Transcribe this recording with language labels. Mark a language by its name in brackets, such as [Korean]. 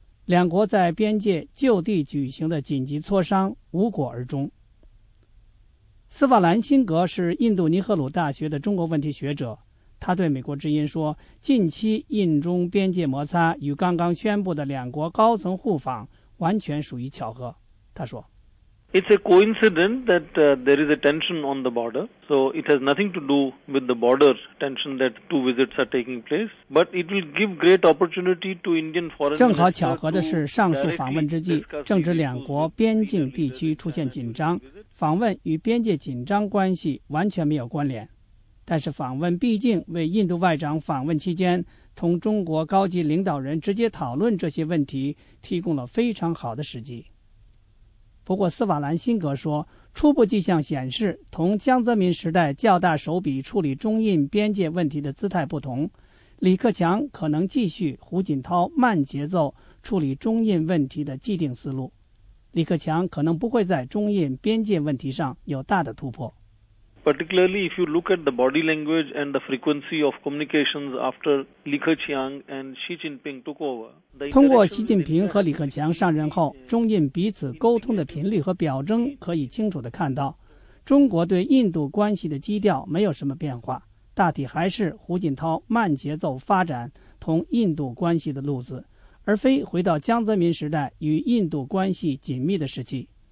[Chinese] 两国在边界就地举行的紧急磋商无果而终。斯瓦兰辛格是印度尼赫鲁大学的中国问题学者，他对美国之音说，近期印中边界摩擦与刚刚宣布的两国高层互访完全属于巧合。他说， [English] It's a coincidence that there is a tension on the border. So it has nothing to do with the border tension that two visits are taking place. But it will give great opportunity to Indian foreign. [Chinese] 正好巧合的是，上述访问之际，正值两国边境地区出现紧张，访问与边界紧张关系完全没有关联。但是访问毕竟为印度外长访问期间同中国高级领导人直接讨论这些问题提供了非常好的时机。不过斯瓦兰辛格说，初步迹象显示同江泽民时代较大手笔处理中印边界问题的姿态不同，李克强可能继续胡锦涛慢节奏处理中印问题的既定思路，李克强可能不会在中印边界问题上有大的突破。 [English] Particularly if you look at the body language and the frequency of communications after Li Keqiang and Xi Jinping took over. [Chinese] 通过习近平和李克强上任后，中印彼此沟通的频率和表征可以清楚地看到，中国对印度关系的基调没有什么变化，大体还是胡锦涛慢节奏发展同印度关系的路子，而非回到江泽民时代与印度关系紧密的时期。